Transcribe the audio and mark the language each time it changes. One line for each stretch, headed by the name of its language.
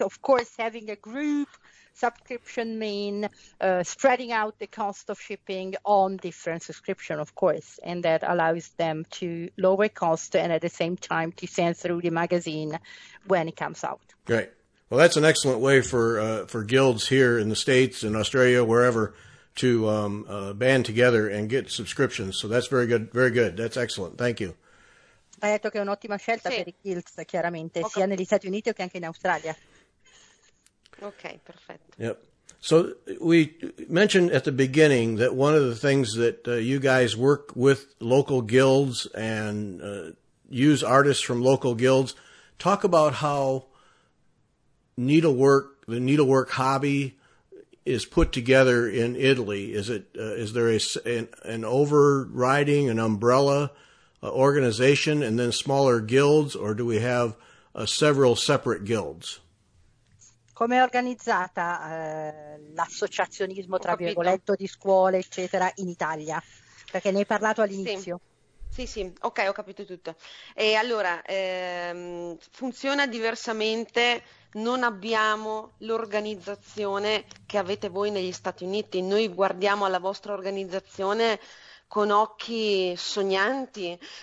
English: Of course, having a group subscription means spreading out the cost of shipping on different subscriptions, of course, and that allows them to lower cost and at the same time to send through the magazine when it comes out. Great. Well, that's an excellent way for guilds here in the States, in Australia, wherever, to band together and get subscriptions. So that's very good. Very good. That's excellent. Thank you.
Italian: Hai detto che è un'ottima scelta, sì, per i guilds, chiaramente, okay, sia negli Stati Uniti che anche in Australia. Ok, perfetto.
English: Yep. So we mentioned at the beginning that one of the things that you guys work with local guilds and use artists from local guilds. Talk about how needlework, the needlework hobby, is put together in Italy. Is it is there an overriding, an umbrella organization, and then smaller guilds, or do we have several separate guilds?
Italian: Come è organizzata l'associazionismo, tra virgolette, di scuole, eccetera, in Italia? Perché ne hai parlato all'inizio. Sì. Sì, sì, ok, ho capito tutto. E allora, funziona diversamente, non abbiamo l'organizzazione che avete voi negli Stati Uniti, noi guardiamo alla vostra organizzazione con occhi sognanti,